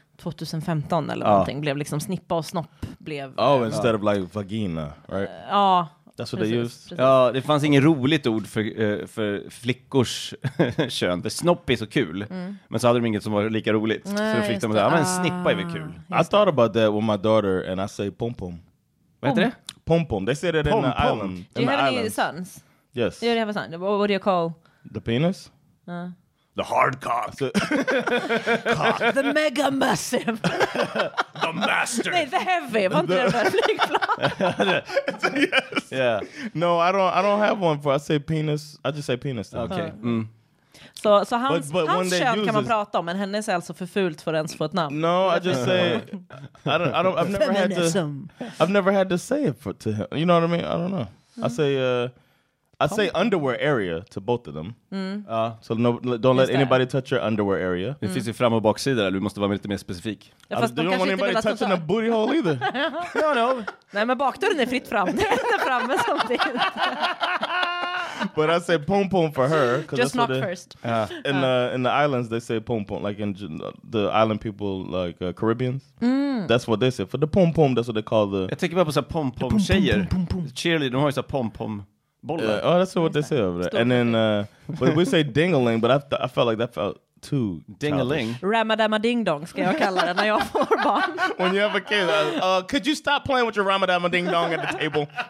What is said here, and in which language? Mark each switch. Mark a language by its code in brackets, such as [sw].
[sv] 2015 eller någonting, blev liksom snippa och snopp blev... [en] Oh, instead of like vagina, right? [sv] Ja, [en] That's what they used. [sv] Ja, det fanns inget roligt ord för flickors kön. För snopp är så kul. Mm. Men så hade de inget som var lika roligt. Nej, så fick de säga, men snippa är väl kul. [en] I thought about that with my daughter and I say pom-pom. [sv] Vad heter det? [en] Pom-pom. They say that pom-pom. In the island. Do you have any sons? Yes. Do you have a son? What do you call? The penis? The hard cock. So, cock. The mega massive. The master. Nej, the heavy. Man the flygplan. Yes. Yeah. No, I don't have one for. I say penis. I just say penis. Though. Okay. [sv] So so hans but hans kön kan man prata om, men hennes är alltså för fult för ens få ett namn. [en] No, I just say I don't I've never feminism. I've never had to say it for, to him. You know what I mean? I don't know. Mm. I say underwear area to both of them. Mm. So no, don't let anybody touch your underwear area. [sv] Det finns ju fram och baksida där. Du måste vara lite mer specifik. Ja, fast [en] don't want anybody touching the booty hole either. No, no. [sv] Nej, men bakdörren är fritt fram. Det är inte framme som det är. [en] But I say pom pom for her. Just that's not first. In the islands, they say pom pom. Like in the island people, like Caribbeans. Mm. That's what they say. For the pom pom, that's what they call the. [sv] Jag tänker bara på så pom pom tjejer. Cheerleading, de har ju så pom pom. [en] Yeah. Oh, that's what they say over there. And then, but we say ding-a-ling, but I felt like that felt too ding-a-ling. [sv] Ramadama-ding-dong, ska jag kalla det när jag får barn. [en] When you have a kid, could you stop playing with your ramadama-ding-dong at the table?